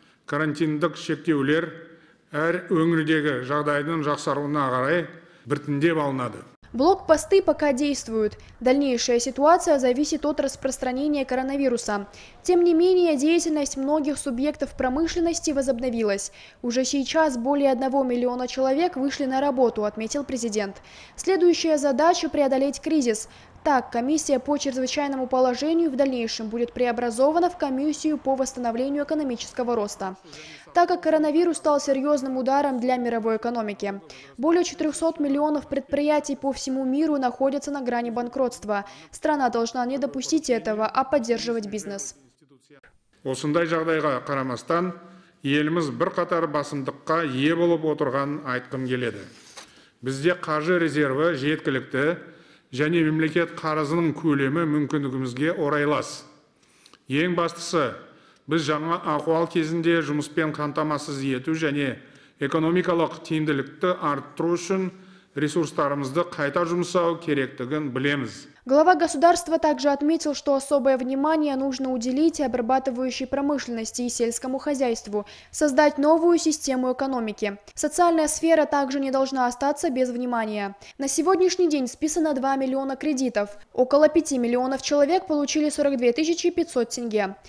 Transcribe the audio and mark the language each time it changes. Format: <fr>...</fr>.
<kk>Карантиндік шектеулер әр өңірдегі жағдайдың жақсаруына қарай біртіндеп алынады.</kk> <ru>Блокпосты пока действуют. Дальнейшая ситуация зависит от распространения коронавируса. Тем не менее, деятельность многих субъектов промышленности возобновилась. Уже сейчас более 1 миллиона человек вышли на работу, отметил президент. Следующая задача – преодолеть кризис. Так, комиссия по чрезвычайному положению в дальнейшем будет преобразована в комиссию по восстановлению экономического роста. Так как коронавирус стал серьезным ударом для мировой экономики. Более 400 миллионов предприятий по всему миру находятся на грани банкротства. Страна должна не допустить этого, а поддерживать бизнес.</ru> <kk>Осындай жағдайға қарамастан, еліміз бірқатар басымдыққа ие болып отырған айтқым келеді. Бізде қаржы резерві жеткілікті, және мемлекет қарызының көлемі мүмкіндігімізге орайлас. Ең бастысы, біз жаңа ахуал кезінде жұмыспен қамтамасыз ету және экономикалық тиімділікті арттыру үшін ресурстарымызды қайта жұмсау керектігін білеміз.</kk> <ru>Глава государства также отметил, что особое внимание нужно уделить обрабатывающей промышленности и сельскому хозяйству, создать новую систему экономики. Социальная сфера также не должна остаться без внимания. На сегодняшний день списано 2 миллиона кредитов. Около 5 миллионов человек получили 42 500 тенге.</ru>